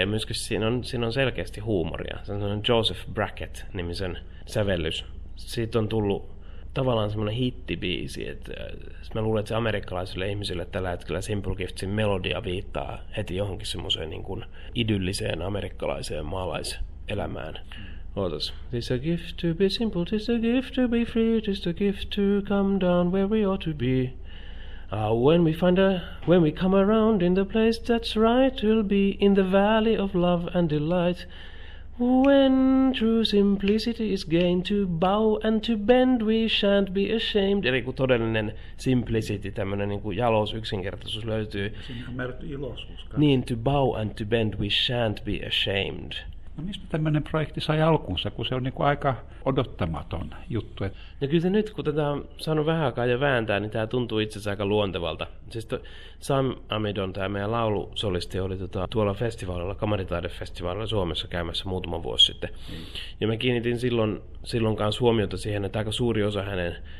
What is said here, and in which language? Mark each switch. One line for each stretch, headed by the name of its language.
Finnish: Ja myöskin siinä on selkeästi huumoria. Se on sellainen Joseph Brackett-nimisen sävellys. Siitä on tullut tavallaan semmoinen hittibiisi. Mä luulen, että se amerikkalaisille ihmisille tällä hetkellä Simple Giftsin melodia viittaa heti johonkin semmoiseen niin kuin idylliseen amerikkalaiseen maalaiselämään. Ootas.
English: It's a gift to be simple, it's a gift to be free, it's a gift to come down where we ought to be. When we come around in the place that's right, we'll be in the valley of love and delight. When true simplicity is gained, to bow and to bend, we shan't be ashamed.
Finnish: Eli kun todellinen simplicity, tämmöinen niin kuin jalous, yksinkertaisuus löytyy. Siinähän määrätty iloisuus.
English: Niin, to bow and to bend, we shan't be ashamed.
Finnish: No mistä tämmöinen projekti sai alkunsa, kun se on niin kuin aika odottamaton juttu? No kyllä se nyt, kun tätä on saanut vähän aikaa jo vääntää, niin tämä tuntuu itse asiassa aika luontevalta. Siis Sam Amidon, tämä meidän laulusolisti, oli tuolla festivaalilla, kamaritaidefestivaalilla Suomessa käymässä muutama vuosi sitten. Mm. Ja mä kiinnitin silloin kanssa huomiota siihen, että aika suuri osa hänen